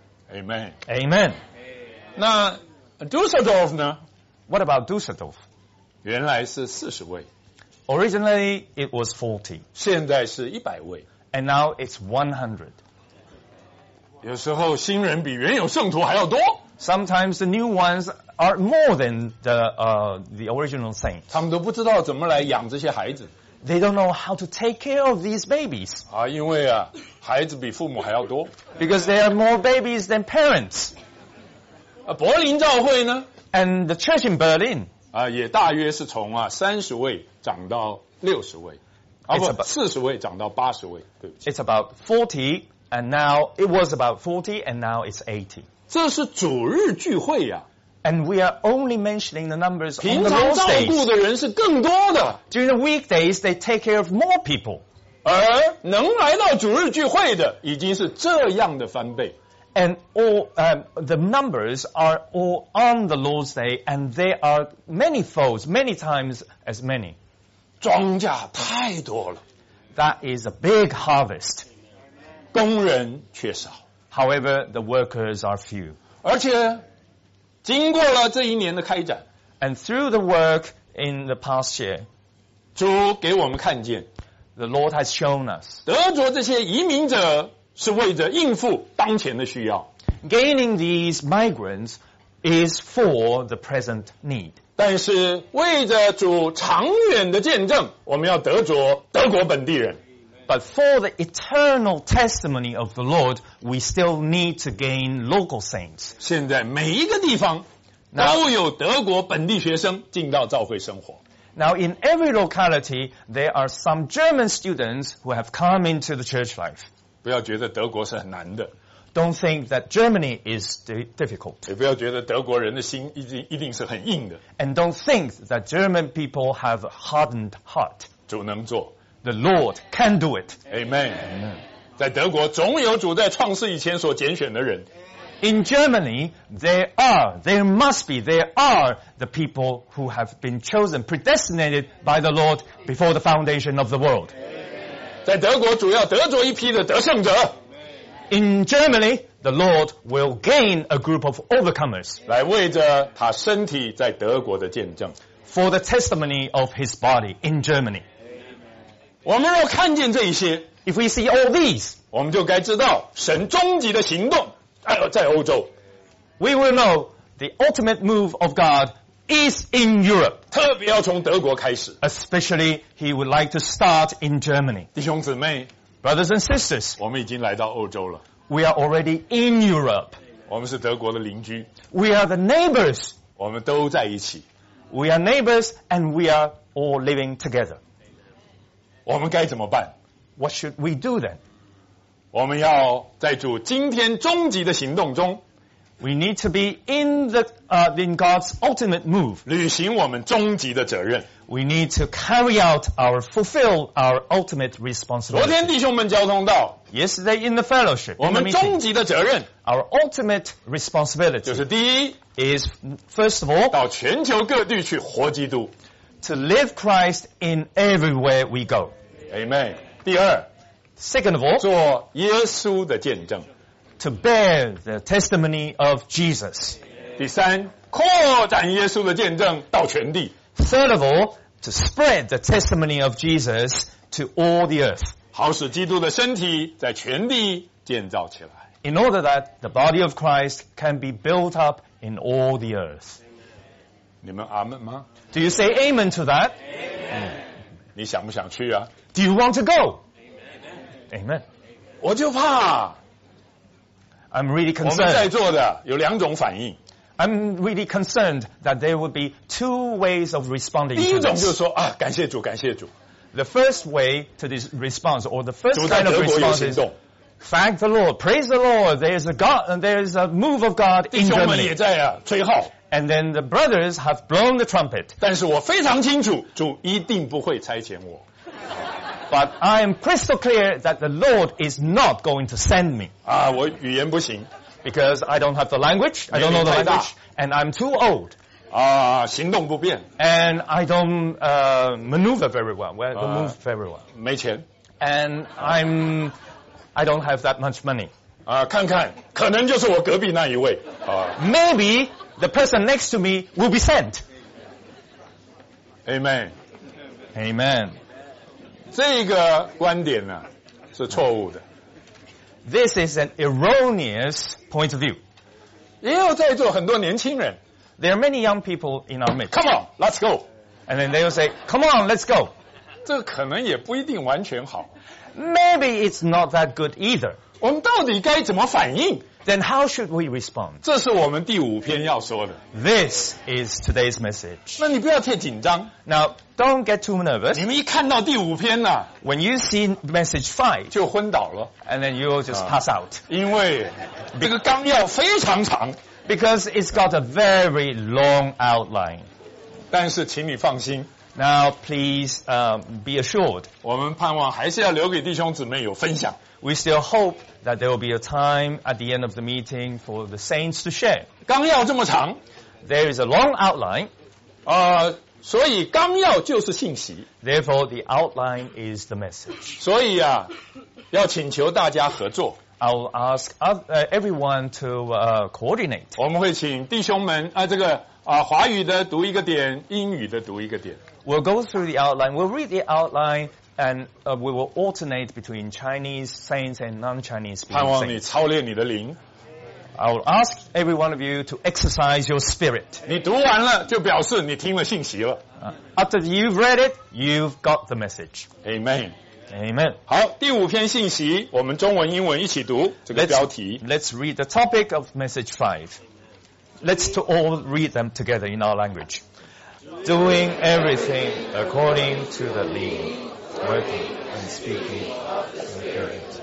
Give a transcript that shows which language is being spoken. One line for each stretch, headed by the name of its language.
English: Amen. Amen.
Chinese: 那 Dusseldorf 呢
English: ?What about Dusseldorf?
Chinese: 原来是40位。
English: Originally, it was 40.
Chinese: 现在是100位。
English: And now it's 100.
Chinese: 有时候新人比原有圣徒还要多。
English: Sometimes the new ones are more than the original saints.
Chinese: 他们都不知道怎么来养这些孩子。
English: They don't know how to take care of these babies.
Chinese: 啊，因为啊，孩子比父母还要多。
English: Because there are more babies than parents.
Chinese: 啊，柏林教会呢
English: ？And the church in Berlin.
Chinese: 啊，也大约是从啊30位涨到60位。 40位涨到80位，对不起。
English: It's about 40, and now, it was about 40, and now it's 80.
Chinese: 这是主日聚会啊。
English: And we are only mentioning the numbers on the most days.
Chinese: 平常照顾的人是更多的。
English: During the weekdays, they take care of more people.
Chinese: 而能来到主日聚会的已经是这样的翻倍。
English: And all, the numbers are all on the Lord's Day, and they are many folds, many times as many.
Chinese: 庄稼太多了。
English: That is a big harvest.
Chinese: 工人缺少。
English: However, the workers are few.
Chinese: 而且经过了这一年的开展。
English: And through the work in the past year,
Chinese: 主给我们看见。
English: The Lord has shown us.
Chinese: 得着这些移民者是为着应付当前的需要。
English: Gaining these migrants is for the present need.
Chinese: 但是为着主长远的见证，我们要得着德国本地人。
English: But for the eternal testimony of the Lord, we still need to gain local saints.
Chinese: 现在每一个地方都有德国本地学生进到教会生活。
English: Now in every locality, there are some German students who have come into the church life.
Chinese: 不要觉得德国是很难的。
English: Don't think that Germany is difficult.
Chinese: 也不要觉得德国人的心一定是很硬的。
English: And don't think that German people have a hardened heart.
Chinese: 主能做。
English: The Lord can do it. Amen. Amen.
Chinese: 在德国总有主在创世以前所拣选的人。
English: In Germany, there must be the people who have been chosen, predestinated by the Lord before the foundation of the world.
Chinese: 在德国主要得着一批的得胜者。
English: In Germany, the Lord will gain a group of overcomers.
Chinese: 来为着他身体在德国的见证。
English: For the testimony of his body in Germany.
Chinese: 我们若看见这一些。
English: If we see all these.
Chinese: 我们就该知道神终极的行动在欧洲。
English: We will know the ultimate move of God is in Europe.
Chinese: 特别要从德国开始。
English: Especially, he would like to start in Germany.
Chinese: 弟兄姊妹。
English: Brothers and sisters.
Chinese: 我们已经来到欧洲了。
English: We are already in Europe.
Chinese: 我们是德国的邻居。
English: We are the neighbors.
Chinese: 我们都在一起。
English: We are neighbors and we are all living together.
Chinese: 我们该怎么办？
English: What should we do then?
Chinese: 我们要在主今天终极的行动中，
English: We need to be in the, in God's ultimate move.
Chinese: 履行我们终极的责任。
English: We need to carry out our, fulfill our ultimate responsibility.
Chinese: 昨天弟兄们交通道。
English: Yesterday in the fellowship.
Chinese: 我们终极的责任。
English: Our ultimate responsibility.
Chinese: 就是第一。
English: Is, first of all.
Chinese: 到全球各地去活基督。
English: To live Christ in everywhere we go.
Chinese: Amen. 第二。
English: Second of all.
Chinese: 做耶稣的见证。
English: To bear the testimony of Jesus.
Chinese: 第三，扩展耶稣的见证到全地。
English: Third of all, to spread the testimony of Jesus to all the earth.
Chinese: 好使基督的身体在全地建造起来。
English: In order that the body of Christ can be built up in all the earth.
Chinese: 你们阿们吗？
English: Do you say amen to that? Amen.
Chinese: 你想不想去啊？
English: Do you want to go? Amen. Amen.
Chinese: 我就怕。
English: I'm really concerned.
Chinese: 我们在座的有两种反应。
English: I'm really concerned that there would be two ways of responding to this.
Chinese: 第一种就是说啊，感谢主，感谢主。
English: The first way to this response, or the first kind of response is, thank the Lord, praise the Lord, there is a move of God in Germany.
Chinese: 弟兄们也在啊，吹号。
English: And then the brothers have blown the trumpet.
Chinese: 但是我非常清楚，主一定不会差遣我。
English: But I am crystal clear that the Lord is not going to send me.
Chinese: 啊，我语言不行。
English: Because I don't have the language, I don't know the language, and I'm too old.
Chinese: 啊，行动不便。
English: And I don't maneuver very well, move very well.
Chinese: 没钱。
English: And I don't have that much money.
Chinese: 啊，看看，可能就是我隔壁那一位。
English: Maybe the person next to me will be sent. Amen. Amen.
Chinese: 这个观点呢、啊、是错误的。
English: This is an erroneous point of view.
Chinese: 也有在座很多年轻人。
English: There are many young people in our midst. Come on, let's go. And then they'll say, come on, let's go.
Chinese: 这可能也不一定完全好。
English: Maybe it's not that good either.
Chinese: 我们到底该怎么反应？
English: Then how should we respond?
Chinese: 这是我们第五篇要说的。
English: This is today's message.
Chinese: 那你不要太紧张。
English: Now,Don't get too nervous.
Chinese: 你们一看到第五篇啊,
English: When you see message 5,
Chinese: 就昏倒了。
English: And then you'll just pass out.
Chinese: 因为这个纲要非常长。
English: Because it's got a very long outline.
Chinese: 但是请你放心。
English: Now please, be assured.
Chinese: 我们盼望还是要留给弟兄姊妹有分享。
English: We still hope that there will be a time at the end of the meeting for the saints to share.
Chinese: 纲要这么长。
English: There is a long outline.
Chinese: 所以纲要就是信息。
English: Therefore, the outline is the message.
Chinese: 所以啊，要请求大家合作。
English: I will ask everyone to coordinate.
Chinese: 我们会请弟兄们啊，这个啊，华语的读一个点，英语的读一个点。
English: We'll go through the outline. We'll read the outline, and we will alternate between Chinese saints and non-Chinese saints.
Chinese: 盼望你操练你的灵。
English: I will ask every one of you to exercise your spirit.
Chinese: 你读完了就表示你听了信息了。
English: After you've read it, you've got the message. Amen. Amen.
Chinese: 好，第五篇信息，我们中文英文一起读这个标题。
English: Let's read the topic of message 5. Let's to all read them together in our language. Doing everything according to the lead, working and speaking of the spirit.